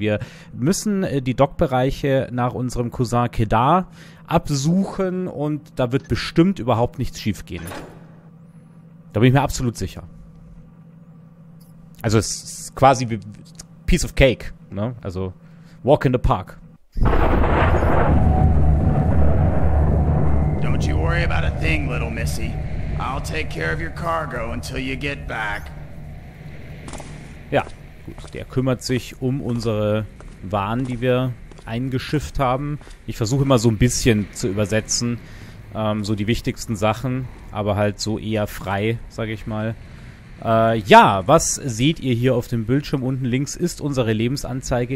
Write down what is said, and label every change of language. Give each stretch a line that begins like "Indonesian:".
German: Wir müssen die Dockbereiche nach unserem Cousin Kedar absuchen und da wird bestimmt überhaupt nichts schief gehen. Da bin ich mir absolut sicher. Also es ist quasi wie Piece of Cake, ne? Also
English: Walk in the park. Don't you worry about a thing, little missy. I'll take care of your cargo until you get back.
German: Ja, gut. Der kümmert sich um unsere Waren, die wir eingeschifft haben. Ich versuche immer so ein bisschen zu übersetzen. So die wichtigsten Sachen, aber halt so eher frei, sage ich mal. Ja, was seht ihr hier auf dem Bildschirm? Unten links ist unsere Lebensanzeige.